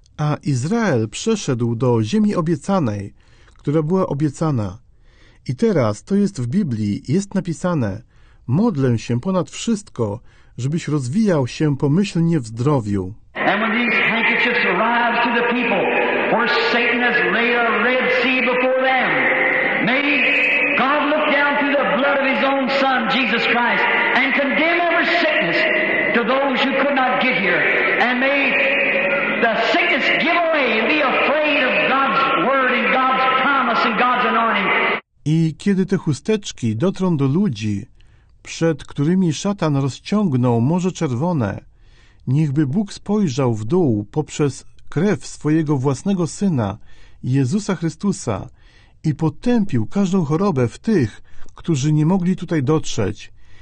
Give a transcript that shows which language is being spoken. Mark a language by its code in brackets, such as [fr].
[pl] A Izrael przeszedł do ziemi obiecanej, która była obiecana. I teraz to jest w Biblii, jest napisane, modlę się ponad wszystko, żebyś rozwijał się pomyślnie w zdrowiu. [en] And when these handkerchiefs arrive to the people, where Satan has laid a Red Sea before them. May God look down through the blood of His own Son, Jesus Christ, and condemn every sickness to those who could not get here. And may the sickness give away and be afraid of God's word and God's promise and God's anointing. [pl] I kiedy te chusteczki dotrą do ludzi, przed którymi szatan rozciągnął Morze Czerwone, niechby Bóg spojrzał w dół poprzez krew swojego własnego Syna, Jezusa Chrystusa, i potępił każdą chorobę w tych, którzy nie mogli tutaj dotrzeć.